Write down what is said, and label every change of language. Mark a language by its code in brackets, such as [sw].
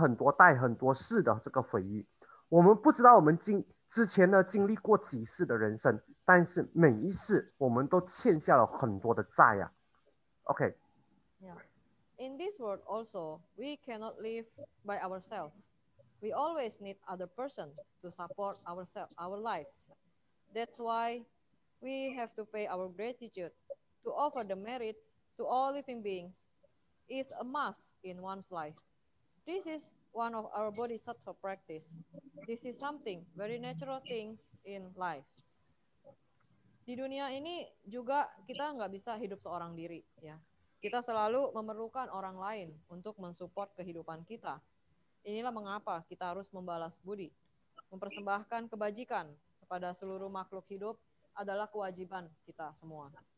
[zh] Okay.我们带着祖先的所有回忆，不只是我们的父母的，还有我们之前很多代很多世的这个回忆。我们不知道我们之前呢经历过几世的人生，但是每一世我们都欠下了很多的债呀。OK. [en] In this world also, we cannot live by ourselves. We always need other person to support ourselves, our lives. That's why we have to pay our gratitude to offer the merits to all living beings. It's a must in one's life. This is one of our bodhisattva practice. This is something very natural things in life. [id] di dunia ini juga kita nggak bisa hidup seorang diri, ya. Kita selalu memerlukan orang lain untuk mensupport kehidupan kita. Inilah mengapa kita harus membalas budi. Mempersembahkan kebajikan kepada seluruh makhluk hidup adalah kewajiban kita semua.